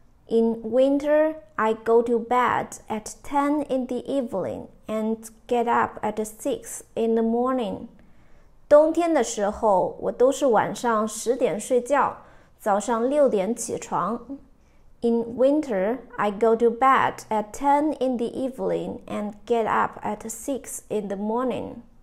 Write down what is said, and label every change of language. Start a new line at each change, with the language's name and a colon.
English: In winter, I go to bed at 10 in the evening and get up at 6 in the morning.
Chinese: 冬天的时候，我都是晚上十点睡觉，早上六点起床。
English: In winter, I go to bed at 10 in the evening and get up at 6 in the morning.